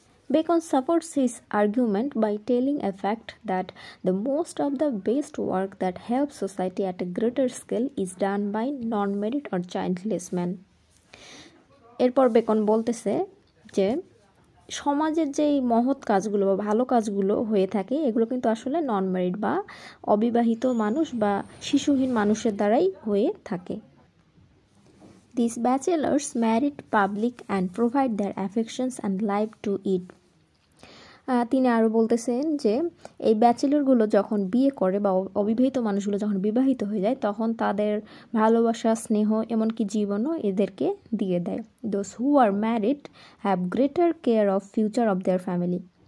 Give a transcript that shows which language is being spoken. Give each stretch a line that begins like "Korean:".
English: Bacon supports his argument by telling a fact that the most of the best work that help society at a greater scale is done by unmarried or childless man.
Bangla: এরপর beacon বলতেছে যে সমাজের যেই মহৎ কাজগুলো বা ভালো কাজগুলো হয়ে থাকে এগুলো কিন্তু আসলে নন মেরিট বা অবিবাহিত মানুষ বা শিশুহীন মানুষের দ্বারাই হয়ে থাকে।
English: These bachelors married public and provide their affections and life to it.
Bangla: তিনি আরও বলতেছেন যে এই ব্যাচেলরগুলো যখন বিয়ে করে বা অবিবাহিত মানুষগুলো যখন বিবাহিত হয়ে যায় তখন তাদের ভালোবাসা স্নেহ এমনকি জীবনও এদেরকে দিয়ে দেয়।
English: Those who are married have greater care of future of their family.